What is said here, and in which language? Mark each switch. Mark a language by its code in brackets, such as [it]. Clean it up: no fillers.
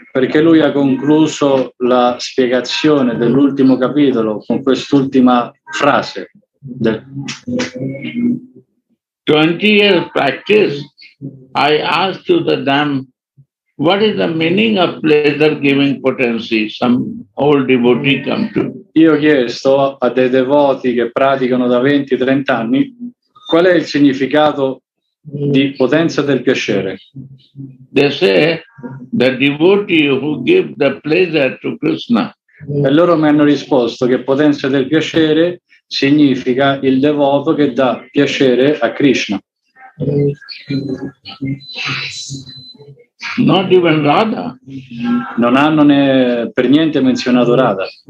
[it] Perché lui ha concluso la spiegazione dell'ultimo capitolo con quest'ultima frase. [en] 20 years practice, I asked to the dam, what is the meaning of pleasure giving potency? Some old devotee come to. [it] Io ho chiesto a dei devoti che praticano da 20-30 anni qual è il significato di potenza del piacere. [en] They say the devotee who give the pleasure to Krishna. [it] E loro mi hanno risposto che potenza del piacere significa il devoto che dà piacere a Krishna. [en] Not even Radha. [it] Non hanno per niente menzionato Radha.